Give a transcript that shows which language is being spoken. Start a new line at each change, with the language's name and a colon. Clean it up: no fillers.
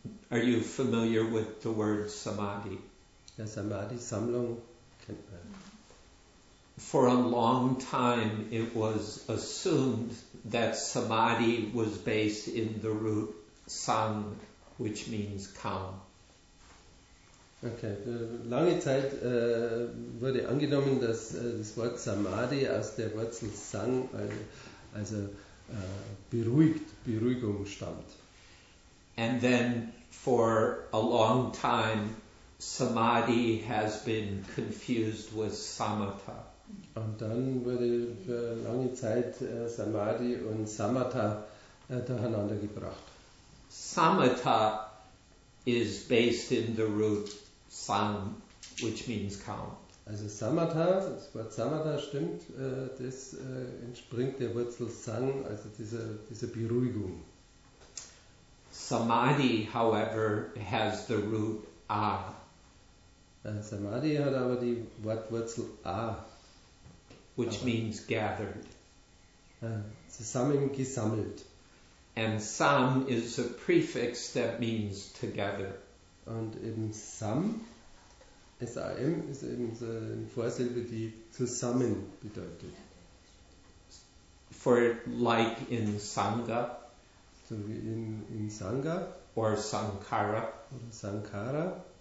English: Are you familiar with the word Samadhi?
German: Ja, Samadhi, Sammlung, kennt man.
English: For a long time it was assumed that Samadhi was based in the root Sang, which means calm.
German: Okay, lange Zeit wurde angenommen, dass das Wort Samadhi aus der Wurzel Sang, also beruhigt, Beruhigung stammt.
English: And then for a long time Samadhi has been confused with Samatha.
German: Und dann wurde für lange Zeit Samadhi und Samatha durcheinander gebracht.
English: Samatha is based in the root Sam, which means calm.
German: Also Samatha, das Wort Samatha stimmt, das entspringt der Wurzel Sang, also dieser Beruhigung.
English: Samadhi, however, has the root A.
German: Samadhi hat aber die Wortwurzel A.
English: Which
German: aber
English: means gathered.
German: Zusammen gesammelt.
English: And sam is a prefix that means together.
German: Und eben sam, S-A-M, ist eben so eine Vorsilbe, die zusammen bedeutet.
English: For like in Sangha.
German: So wie in Sangha.
English: Or Sankara.
German: Oder Sankara.